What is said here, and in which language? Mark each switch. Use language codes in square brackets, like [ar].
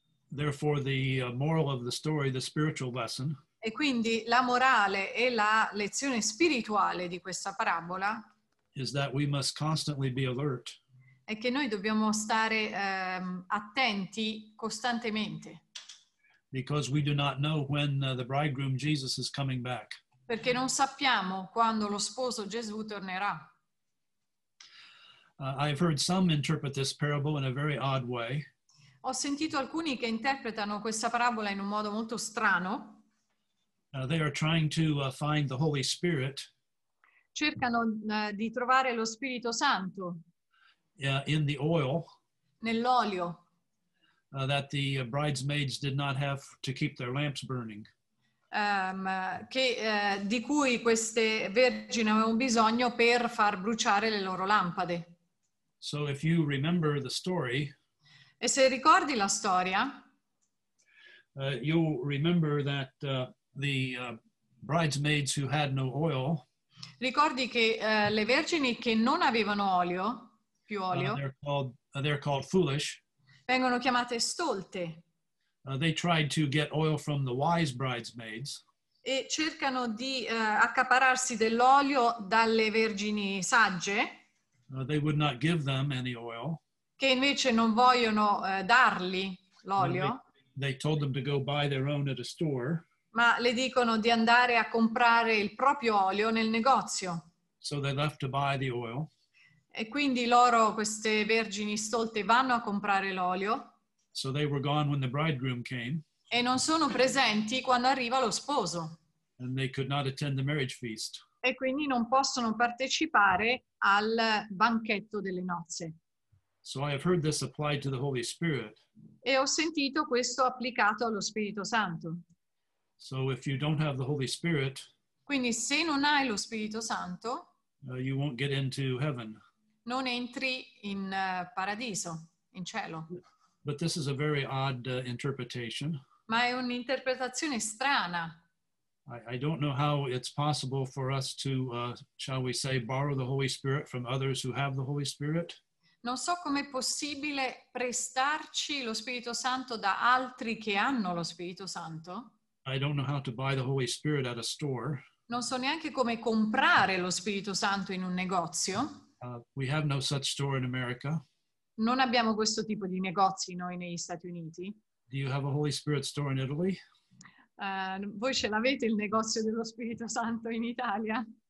[en] Therefore, the moral of the story, the spiritual lesson, [it] e quindi la morale e la lezione spirituale di questa parabola, [en] is that we must constantly be alert. [it] È che noi dobbiamo stare attenti costantemente. [en] Because we do not know when the bridegroom Jesus is coming back. [it] Perché non sappiamo quando lo sposo Gesù tornerà. [en] I've heard some interpret this parable in a very odd way. [it] Ho sentito alcuni che interpretano questa parabola in un modo molto strano. [en] They are trying to find the Holy Spirit. [it] Cercano di trovare lo Spirito Santo. [en] In the oil, [it] nell'olio, [en] that the bridesmaids did not have to keep their lamps burning. [it] Di cui queste vergini avevano bisogno per far bruciare le loro lampade. [en] So if you remember the story, [it] e se ricordi la storia, [en] you remember that the bridesmaids who had no oil, [it] ricordi che le vergini che non avevano olio, più olio. [en] They're called foolish. [it] Vengono chiamate stolte. [en] They tried to get oil from the wise bridesmaids. [it] E cercano di accaparrarsi dell'olio dalle vergini sagge. [en] They would not give them any oil. [it] Che invece non vogliono dargli l'olio. [en] They told them to go buy their own at a store. [it] Ma le dicono di andare a comprare il proprio olio nel negozio. [en] So they left to buy the oil. [it] E quindi loro, queste vergini stolte, vanno a comprare l'olio. [en] So they were gone when the bridegroom came. [it] E non sono presenti quando arriva lo sposo. [en] And they could not attend the marriage feast. [it] E quindi non possono partecipare al banchetto delle nozze. [en] So I have heard this applied to the Holy Spirit. [it] E ho sentito questo applicato allo Spirito Santo. [en] So if you don't have the Holy Spirit, [it] quindi se non hai lo Spirito Santo, [en] You won't get into heaven. [it] Non entri in paradiso, in cielo. [en] But this is a very odd interpretation. [it] Ma è un'interpretazione strana. [en] I don't know how it's possible for us to, shall we say, borrow the Holy Spirit from others who have the Holy Spirit. [it] Non so com'è possibile prestarci lo Spirito Santo da altri che hanno lo Spirito Santo. [en] I don't know how to buy the Holy Spirit at a store. [it] Non so neanche come comprare lo Spirito Santo in un negozio. [en] We have no such store in America. [it] Non abbiamo questo tipo di negozi noi negli Stati Uniti. [en] Do you have a Holy Spirit store in Italy? [it] Voi ce l'avete il negozio dello Spirito Santo in Italia?